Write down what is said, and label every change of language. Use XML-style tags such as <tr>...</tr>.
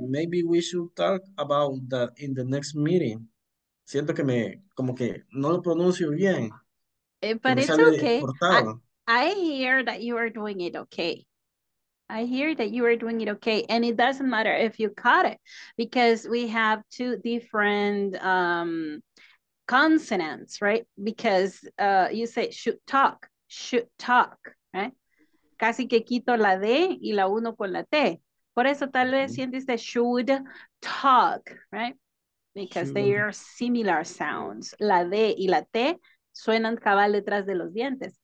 <en>Maybe we should talk about that in the next meeting.</en> <es>Siento que como que no lo pronuncio bien.</es> <en>But it's okay. I hear that you are doing it okay. I hear that you are doing it okay. And it doesn't matter if you caught it, because we have two different consonants, right? Because you say should talk, right?</en> <es>Casi que quito la D y la uno con la T. Por eso tal vez sientes de should talk, right?</es> <en>Because should. They are similar sounds.</en> <es>La D y la T suenan cabal detrás de los dientes.</es>